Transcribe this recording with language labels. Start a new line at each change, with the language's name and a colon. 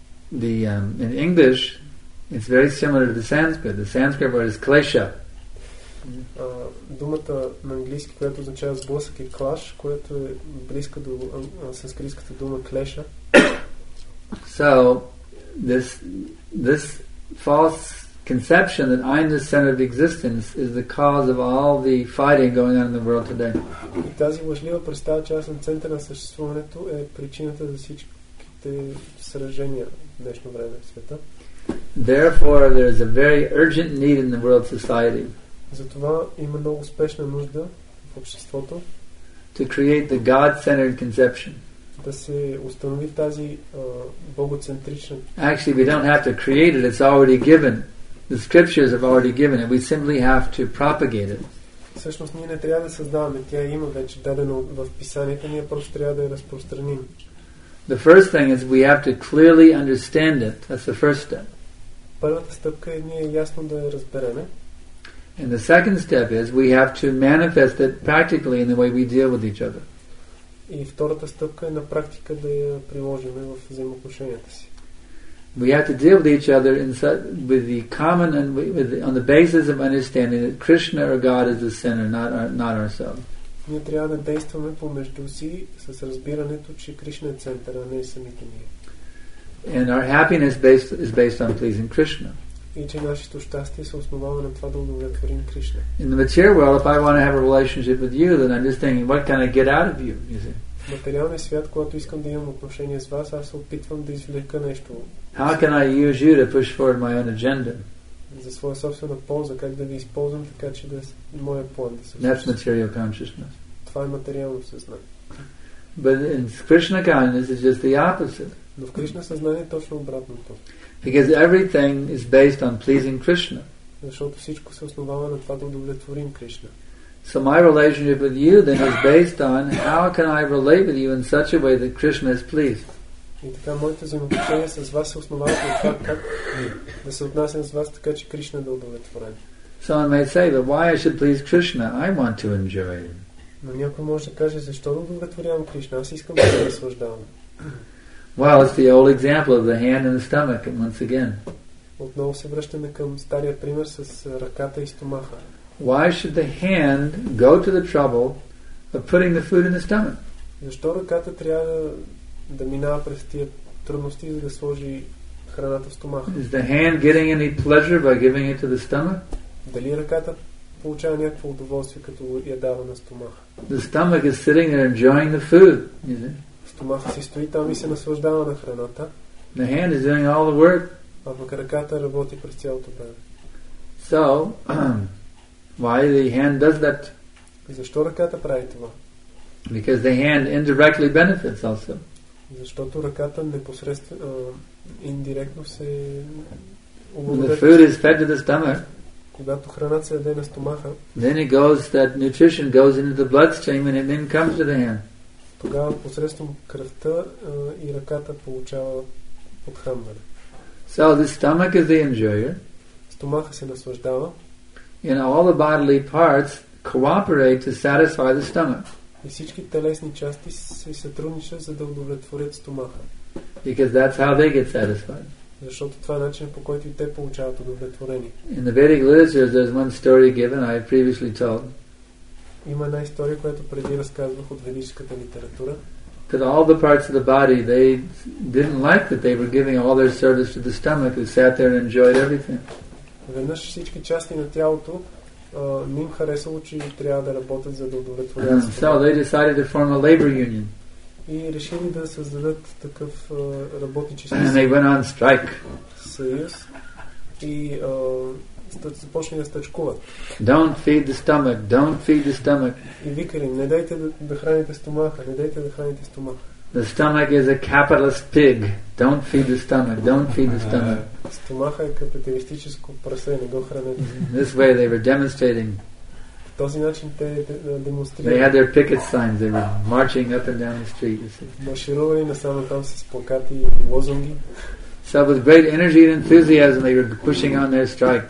English: In English, it's very similar to the Sanskrit. The Sanskrit word is klesha.
Bulgarian: Думата на английски, която означава сблъсък и клаш, която е близка до санскритската дума клеша.
English: So, this false conception that I'm the center of existence is the cause of all the fighting going on in the world today.
Bulgarian: И тази лъжлива представа, че аз съм център на съществуването, е причината за всичките сражения в днешно време в света.
English: Therefore, there is a very urgent need in the world society.
Bulgarian: Затова има много спешна нужда в обществото.
English: To create the God-centered conception.
Bulgarian: Да се установи тази богоцентрична.
English: Actually, we don't have to create it. It's already given. The scriptures have already given it. We simply have to propagate it.
Bulgarian: Всъщност ние не трябва да създаваме. Тя има вече дадено в писанията. Ние просто трябва да я разпространим.
English: The first thing is we have to clearly understand it. That's the first step.
Bulgarian: Първата стъпка е ние ясно да я разбереме.
English: And the second step is we have to manifest it practically in the way we deal with each other.
Bulgarian: И втората стъпка е на практика да я приложим в взаимоотношенията си.
English: We have to deal with each other with the common and on the basis of understanding that Krishna or God is the center, not ourselves.
Bulgarian: Ние трябва да действаме помежду си с разбирането, че Кришна е център, а не самите ние.
English: And our happiness is based on pleasing Krishna.
Bulgarian: И че нашето щастие се основава на това да удовлетворим Кришна.
English: In the material world, if I want to have a relationship with you, then I'm just thinking, what can I get out of you? You see?
Bulgarian: В материалния свят, когато искам да имам отношение с вас, аз се опитвам да извлека нещо.
English: How can I use you to push forward my own agenda?
Bulgarian: За своя собствена полза, как да ви използвам така, че да моя план да се случи.
English: That's material consciousness.
Bulgarian: Това е материално съзнание.
English: But in Krishna consciousness, it's just the opposite.
Bulgarian: Но в Кришна съзнание е точно обратното.
English: Because everything is based on pleasing Krishna.
Bulgarian: Защото всичко се основава на това да удовлетворим Кришна.
English: So my relationship with you then is based on how can I relate with you in such a way that Krishna is pleased.
Bulgarian: И така моите взаимоотношения с вас се основават на това как да се отнасям с вас така, че Кришна да удовлетворен.
English: So I may say, but why I should please Krishna? I want to enjoy him.
Bulgarian: Но някой може да каже, защо да удовлетворявам Кришна? Аз искам да се наслаждавам.
English: Well, it's the old example of the hand and the stomach once again.
Bulgarian: Отново се връщаме към стария пример с ръката и стомаха.
English: Why should the hand go to the trouble of putting the food in the stomach?
Bulgarian: Защо ръката трябва да минава през тия трудности, за да сложи храната в стомаха?
English: Is the hand getting any pleasure by giving it to the stomach?
Bulgarian: Дали ръката получава някакво удоволствие като я дава на стомаха?
English: The stomach is sitting there enjoying the food, you see?
Bulgarian: Стомаха си стои там и се наслаждава на храната.
English: The hand is doing all the work.
Bulgarian: А пък ръката работи през цялото време.
English: So, why the hand does that?
Bulgarian: Защо ръката прави това?
English: Because the hand indirectly benefits also.
Bulgarian: Защото ръката непосредствено, индиректно се
English: When the food is fed to the stomach,
Bulgarian: когато храната се яде на стомаха,
English: then it goes, that nutrition goes into the bloodstream and it then comes to the hand.
Bulgarian: Тогава посредством кръвта и ръката получава подхранване.
English: So the stomach is the enjoyer.
Bulgarian: Стомаха се наслаждава.
English: And all the bodily parts cooperate to satisfy the stomach.
Bulgarian: И всички телесни части се сътрудничат, за да удовлетворят стомаха.
English: Because that's how they get satisfied.
Bulgarian: Защото това е начинът, по който и те получават удовлетворение.
English: In the Vedic literature, there's one story given I previously told.
Bulgarian: Има една история, която преди разказвах от ведическата литература.
English: That all the parts of the body, they didn't like that they were giving all their service to the stomach who sat there and enjoyed everything.
Bulgarian: Веднъж всички части на тялото не им харесало, че трябва да работят, за да удовлетворят.
English: So they decided to form a labor union.
Bulgarian: И решили да създадат такъв работнически
English: And they went on strike.
Bulgarian: Съюз. И започне да стачкуват.
English: Don't feed the stomach, don't feed the stomach.
Bulgarian: И викали им, не дайте да храните стомаха, не дайте да храните стомаха.
English: The stomach is a capitalist pig. Don't feed the stomach. Don't feed the stomach.
Bulgarian: Стомаха е капиталистическо прасе, не го хранете.
English: This way they were demonstrating.
Bulgarian: В този начин те демонстрирали.
English: They had their picket signs. They were marching up and down the street.
Bulgarian: Марширували насам там с плакати и лозунги.
English: So with great energy and enthusiasm they were pushing on their strike.